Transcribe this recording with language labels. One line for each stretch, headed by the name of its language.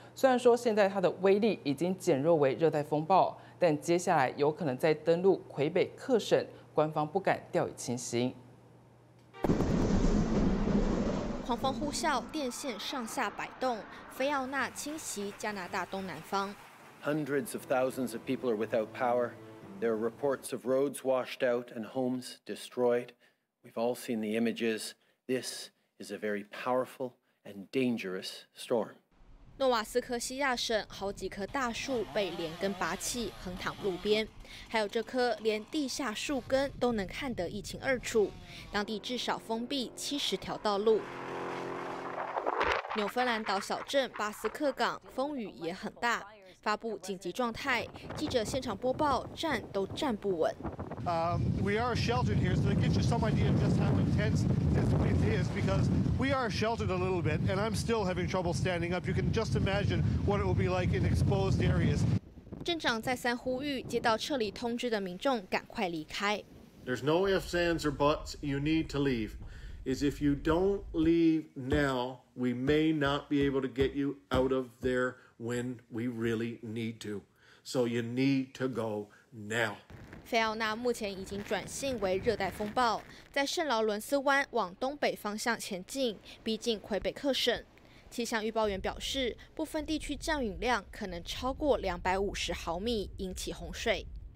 Chinese: 虽然说现在它的威力已经减弱为热带风暴，但接下来有可能再登陆魁北克省，官方不敢掉以轻心。狂风呼啸，电线上下摆动，菲奥娜侵袭加拿大东南方。
English: Hundreds of thousands of people are without power. There are reports of roads washed out and homes destroyed. We've all seen the images. This is a very powerful and dangerous storm.
Chinese: 诺瓦斯科西亚省好几棵大树被连根拔起，横躺路边，还有这棵连地下树根都能看得一清二楚。当地至少封闭70条道路。纽芬兰岛小镇巴斯克港风雨也很大，发布紧急状态。记者现场播报，站都站不稳。
English: We are sheltered here, so that gives you some idea of just how intense this place is, because we are sheltered a little bit, and I'm still having trouble standing up. You can just imagine what it will be like in exposed areas.
Chinese: 镇长再三呼吁接到撤离通知的民众赶快离开。
English: There's no ifs, ands, or buts. You need to leave. Is if you don't leave now, we may not be able to get you out of there when we really need to. So you need to go. Now.
Chinese: 菲奥娜目前已经转性为热带风暴，在圣劳伦斯湾往东北方向前进，逼近魁北克省。气象预报员表示，部分地区降雨量可能超过250毫米，引起洪水。